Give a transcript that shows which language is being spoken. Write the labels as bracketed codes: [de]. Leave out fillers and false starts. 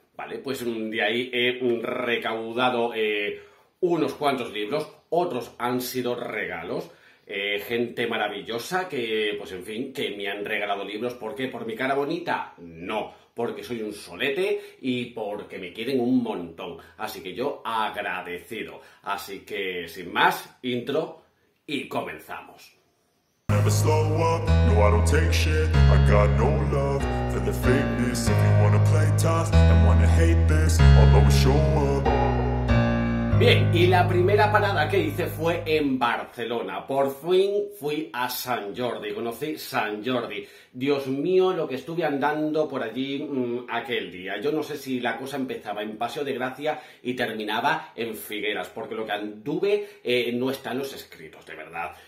[es] Vale, pues de ahí he recaudado unos cuantos libros, otros han sido regalos, gente maravillosa que, pues en fin, que me han regalado libros. ¿Por qué? ¿Por mi cara bonita? No, porque soy un solete y porque me quieren un montón, así que yo agradecido. Así que sin más, intro y comenzamos. [en] Never slow up, no I don't take shit, I got no love for the famous. If you wanna play tough and wanna hate this, I'll always show up. [es] Bien, y la primera parada que hice fue en Barcelona. Por fin fui a Sant Jordi, conocí Sant Jordi. Dios mío, lo que estuve andando por allí aquel día. Yo no sé si la cosa empezaba en Paseo de Gracia y terminaba en Figueras, porque lo que anduve no está en los escritos, de verdad.